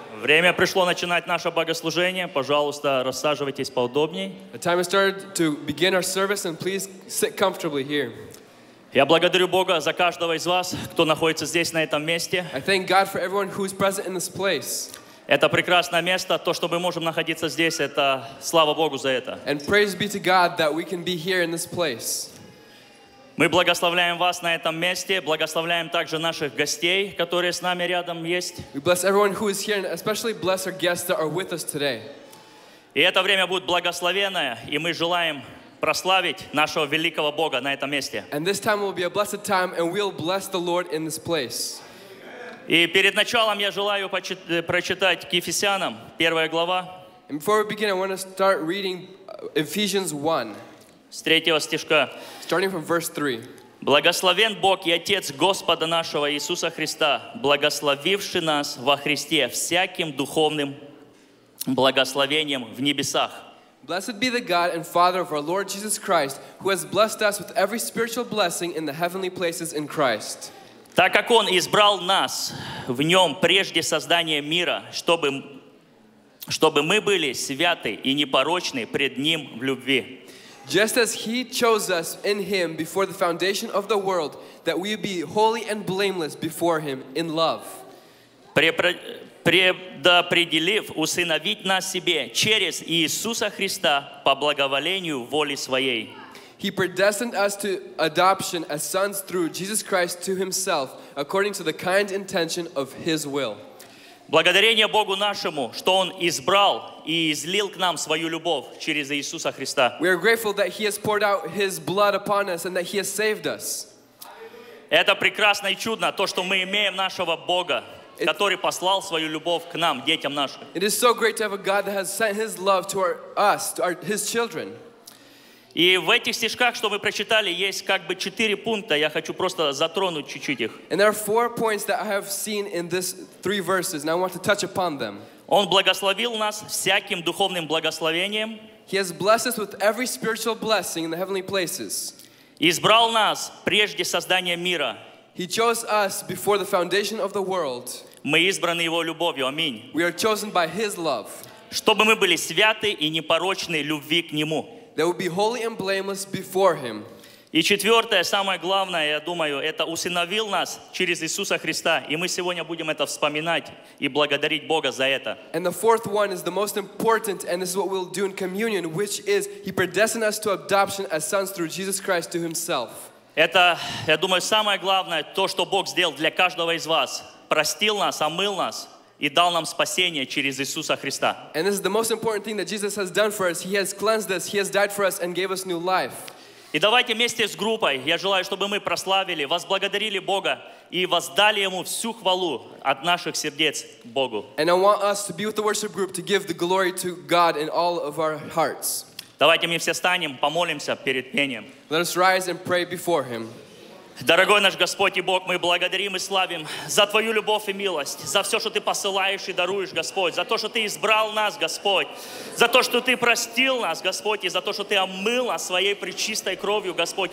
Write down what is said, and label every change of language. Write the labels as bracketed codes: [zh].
[ru] Время пришло начинать наше богослужение. Пожалуйста, рассаживайтесь поудобнее. [en] The time has started to begin our service, and please sit comfortably here. [ru] Я благодарю Бога за каждого из вас, кто находится здесь, на этом месте. [en] I thank God for everyone who is present in this place. [ru] Это прекрасное место, то, что мы можем находиться здесь, это слава Богу за это. [en] And praise be to God that we can be here in this place. [ru] Мы благословляем вас на этом месте, благословляем также наших гостей, которые с нами рядом есть. [en] We bless everyone who is here, and especially bless our guests that are with us today. [ru] И это время будет благословенное, и мы желаем прославить нашего великого Бога на этом месте. [en] And this time will be a blessed time, and we'll bless the Lord in this place. [ru] И перед началом я желаю прочитать к Ефесянам, первая глава. [en] And before we begin, I want to start reading Ephesians 1. [ru] С третьего стишка. [en] Starting from verse 3. [ru] Благословен Бог и Отец Господа нашего Иисуса Христа, благословивший нас во Христе всяким духовным благословением в небесах. [en] Blessed be the God and Father of our Lord Jesus Christ, who has blessed us with every spiritual blessing in the heavenly places in Christ. [ru] Так как Он избрал нас в Нем прежде создания мира, чтобы мы были святы и непорочны пред Ним в любви. [en] Just as He chose us in Him before the foundation of the world, that we be holy and blameless before Him in love. [ru] Предопределив усыновить нас себе через Иисуса Христа по благоволению воли Своей. [en] He predestined us to adoption as sons through Jesus Christ to Himself, according to the kind intention of His will. [ru] Благодарение Богу нашему, что Он избрал и излил к нам свою любовь через Иисуса Христа. [en] We are grateful that He has poured out His blood upon us and that He has saved us. [ru] Это прекрасно и чудно, то, что мы имеем нашего Бога, который послал свою любовь к нам, детям нашим. [en] It is so great to have a God that has sent His love to us, to His children. [ru] И в этих стишках, что вы прочитали, есть как бы четыре пункта. Я хочу просто затронуть чуть-чуть их. [en] And there are four points that I have seen in these three verses, and I want to touch upon them. [ru] Он благословил нас всяким духовным благословением. [en] He has blessed us with every spiritual blessing in the heavenly places. [ru] Избрал нас прежде создания мира. [en] He chose us before the foundation of the world. [ru] Мы избраны Его любовью. Аминь. [en] We are chosen by His love. [ru] Чтобы мы были святы и непорочны любви к Нему. [en] That will be holy and blameless before Him. [ru] И четвертое, самое главное, я думаю, это усыновил нас через Иисуса Христа, и мы сегодня будем это вспоминать и благодарить Бога за это. [en] And the fourth one is the most important, and this is what we'll do in communion, which is He predestined us to adoption as sons through Jesus Christ to Himself. [ru] Это, я думаю, самое главное, то, что Бог сделал для каждого из вас, простил нас, омыл нас. И дал нам спасение через Иисуса Христа. [en] And this is the most important thing that Jesus has done for us. He has cleansed us, He has died for us and gave us new life. [ru] И давайте вместе с группой, я желаю, чтобы мы прославили, возблагодарили Бога и воздали Ему всю хвалу от наших сердец Богу. [en] And I want us to be with the worship group to give the glory to God in all of our hearts. [ru] Давайте мы все станем, помолимся перед пением. [en] Let us rise and pray before Him. [ru] Дорогой наш Господь и Бог, мы благодарим и славим за Твою любовь и милость, за все, что Ты посылаешь и даруешь, Господь, за то, что Ты избрал нас, Господь, за то, что Ты простил нас, Господь, и за то, что Ты омыл нас своей пречистой кровью, Господь.